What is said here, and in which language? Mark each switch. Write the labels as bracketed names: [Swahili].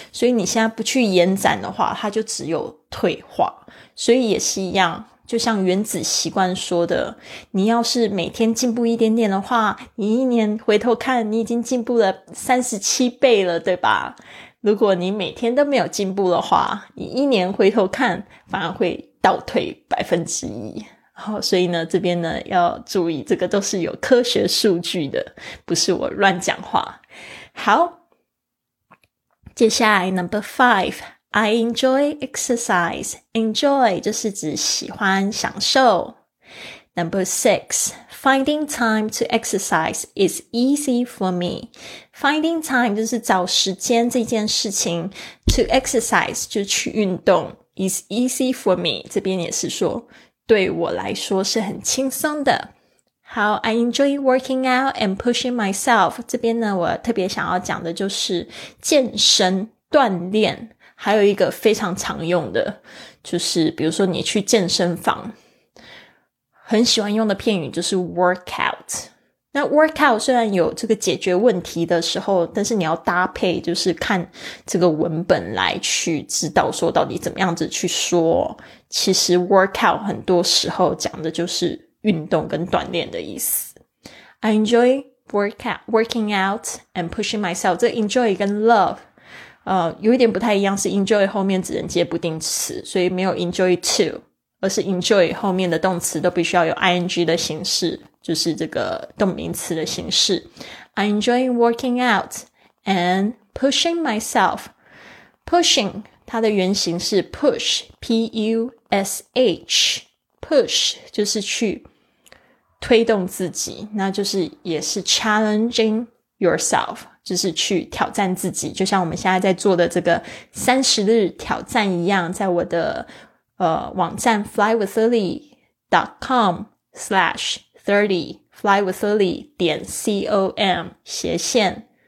[Chinese] 所以你现在不去延展的话它就只有退化，所以也是一样，就像原子习惯说的，你要是每天进步一点点的话，你一年回头看你已经进步了37倍了，对吧？如果你每天都没有进步的话，你一年回头看反而会倒退1%。好，所以呢这边呢要注意，这个都是有科学数据的，不是我乱讲话。好，接下来 [English] Number 5，I enjoy exercise. [Chinese] Enjoy 就是指喜欢享受。 [English] Number 6, finding time to exercise is easy for me. [Chinese] Finding time 就是找时间这件事情， [English] to exercise [Chinese] 就是去运动， [English] is easy for me [Chinese] 这边也是说对我来说是很轻松的。 [English] 好， I enjoy working out and pushing myself. [Chinese] 这边呢我特别想要讲的就是健身锻炼。还有一个非常常用的就是比如说你去健身房很喜欢用的片语就是 workout。那 workout 虽然有这个解决问题的时候，但是你要搭配就是看这个文本来去知道说到底怎么样子去说。其实 workout 很多时候讲的就是运动跟锻炼的意思。 [English] I enjoy working out and pushing myself. [Chinese] 这 enjoy 跟 love, 有一点不太一样，是 enjoy 后面只能接不定词，所以没有 enjoy to, 而是 enjoy 后面的动词都必须要有 ing 的形式，就是这个动名词的形式。 [English] I enjoy working out and pushing myself. Pushing, [Chinese] 它的原型是 [English] push, P-U-S-H. [Chinese] Push, 就是去推动自己，那就是也是 [English] challenging yourself, [Chinese] 就是去挑战自己，就像我们现在在做的这个30日挑战一样，在我的网站 flywithlily.com/30flywithlily.com/30,